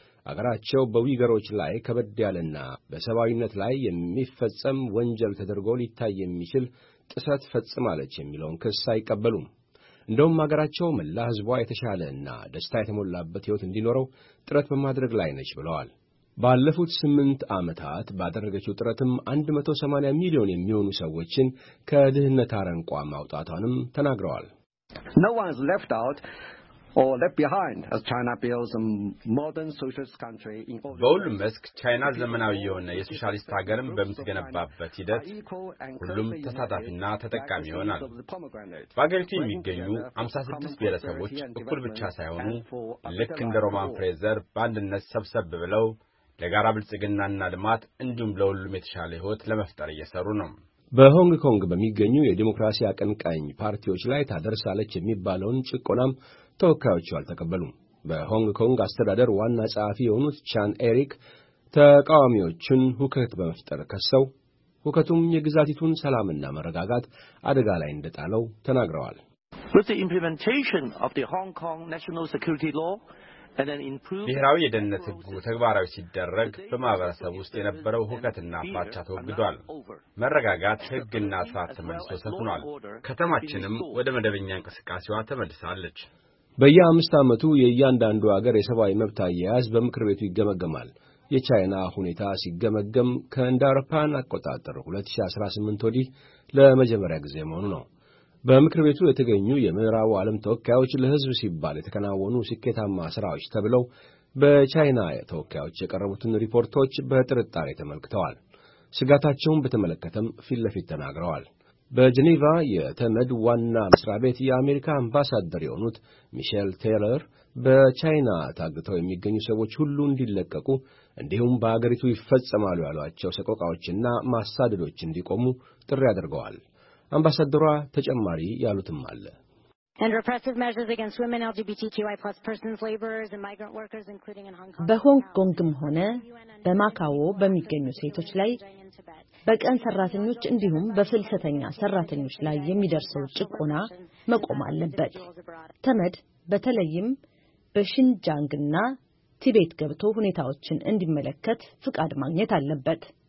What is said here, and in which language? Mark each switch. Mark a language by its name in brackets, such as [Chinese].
[Amharic] አገራቸው በዊገሮች ላይ ከበድ ያለና በሰብአዊነት ላይ የሚፈጸም ወንጀል ተደርጎ ሊታይ የሚችል ጥሰት ፈጽማለች የሚለውን ክስ አይቀበሉም። እንደውም አገራቸው መላ ሕዝቧ የተሻለና ደስታ የተሞላበት ሕይወት እንዲኖረው ጥረት በማድረግ ላይ ነች ብለዋል። ባለፉት 8 ዓመታት ባደረገችው ጥረትም 180 ሚሊዮን የሚሆኑ ሰዎችን ከድህነት አረንቋ ማውጣቷንም ተናግረዋል። [English] No one is left out or left behind as China builds a modern socialist country. [Amharic] በሁሉም መስክ ቻይና ዘመናዊ የሆነ የሶሻሊስት ሀገርን በምትገነባበት ሂደት ሁሉም ተሳታፊና ተጠቃሚ ይሆናል። በአገሪቱ የሚገኙ 56 ብሔረሰቦች እኩል ብቻ ሳይሆኑ ልክ እንደ ሮማን ፍሬዘር በአንድነት ሰብሰብ ብለው ለጋራ ብልጽግናና ልማት እንዲሁም ለሁሉም የተሻለ ሕይወት ለመፍጠር እየሰሩ ነው። በሆንግ ኮንግ በሚገኙ የዲሞክራሲ አቀንቃኝ ፓርቲዎች ላይ ታደርሳለች የሚባለውን ጭቆናም ተወካዮቹ አልተቀበሉም። በሆንግ ኮንግ አስተዳደር ዋና ጸሐፊ የሆኑት ቻን ኤሪክ ተቃዋሚዎችን ሁከት በመፍጠር ከሰው ሁከቱም የግዛቲቱን ሰላምና መረጋጋት አደጋ ላይ እንደጣለው ተናግረዋል። [English] With the implementation of the Hong Kong National Security Law and an improved [Amharic] ብሔራዊ የደህንነት ሕግ ተግባራዊ ሲደረግ በማህበረሰብ ውስጥ የነበረው ሁከትና ፍራቻ ተወግዷል። መረጋጋት ሕግና ሥርዓት ተመልሶ ሰፍኗል። ከተማችንም ወደ መደበኛ እንቅስቃሴዋ ተመልሳለች። በየአምስት ዓመቱ የእያንዳንዱ አገር የሰብአዊ መብት አያያዝ በምክር ቤቱ ይገመገማል። የቻይና ሁኔታ ሲገመገም ከእንደ አውሮፓውያን አቆጣጠር 2018 ወዲህ ለመጀመሪያ ጊዜ መሆኑ ነው። በምክር ቤቱ የተገኙ የምዕራቡ ዓለም ተወካዮች ለሕዝብ ሲባል የተከናወኑ ስኬታማ ሥራዎች ተብለው በቻይና ተወካዮች የቀረቡትን ሪፖርቶች በጥርጣሬ ተመልክተዋል። ስጋታቸውን በተመለከተም ፊት ለፊት ተናግረዋል። በጄኔቫ የተመድ ዋና መስሪያ ቤት የአሜሪካ አምባሳደር የሆኑት ሚሼል ቴይለር በቻይና ታግተው የሚገኙ ሰዎች ሁሉ እንዲለቀቁ እንዲሁም በአገሪቱ ይፈጸማሉ ያሏቸው ሰቆቃዎችና ማሳደዶች እንዲቆሙ ጥሪ አድርገዋል። አምባሳደሯ ተጨማሪ ያሉትም አለ። [English] And repressive measures against women, LGBTQI+ persons, laborers and migrant workers including in Hong Kong. [Amharic] በሆንግ ኮንግም ሆነ በማካዎ በሚገኙ ሴቶች ላይ በቀን ሰራተኞች እንዲሁም በፍልሰተኛ ሰራተኞች ላይ የሚደርሰው ጭቆና መቆም አለበት። ተመድ በተለይም በሽንጃንግና ቲቤት ገብቶ ሁኔታዎችን እንዲመለከት ፍቃድ ማግኘት አለበት።